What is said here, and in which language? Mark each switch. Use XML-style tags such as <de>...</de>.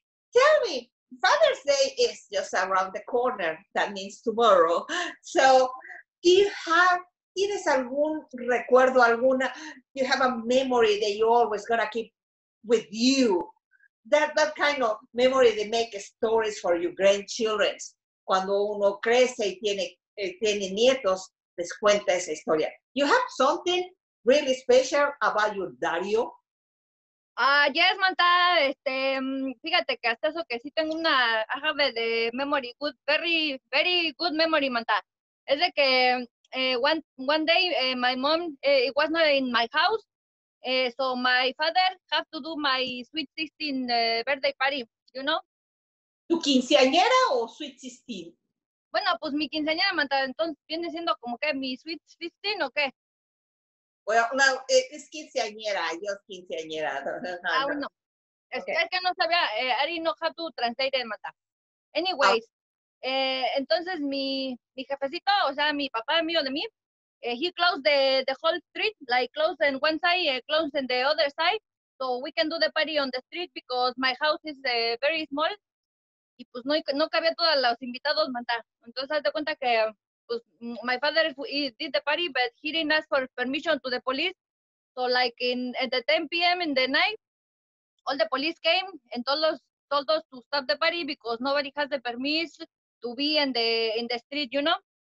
<en>Tell me, Father's Day is just around the corner. That means tomorrow.</en> <es>So, ¿tienes algún recuerdo, alguna?</es> <en>You have a memory that you always gonna keep with you. That kind of memory that makes stories for your grandchildren.</en> <es>Cuando uno crece y tiene nietos, les cuenta esa historia.</es> <en>You have something really special about your Dario?</en> <es>Yes, Manta. Fíjate que hasta eso que sí tengo una ajave de memory,</es> <en>good, very, very good memory,</en> <es>Manta. Es de que</es> <en>one day my mom it was not in my house. So my father has to do my sweet 16 birthday party, you know?</en> <es>¿Tu quinceañera o sweet 16? Bueno, pues mi quinceañera, Manta, entonces viene siendo como que mi sweet 16 o qué? Bueno, well, no, es quinceañera, yo es quinceañera.</es> <en>No. Okay.</en> <es>Es que no sabía,</es> <en>I didn't know how to translate it, Manta. Anyways,</en> <es>entonces mi jefecito, o sea, mi papá mío de mí,</es> <en>he closed the whole street, like closed on one side, closed on the other side, so we can do the party on the street because my house is very small.</en> <es>Y pues no cabía todos los invitados, Manta. Entonces, haz de cuenta que, pues,</es> <en>my father did the party, but he didn't ask for permission to the police. So, like, at the 10 p.m. in the night, all the police came and told us to stop the party because nobody has the permission to be in the street, you know?</en>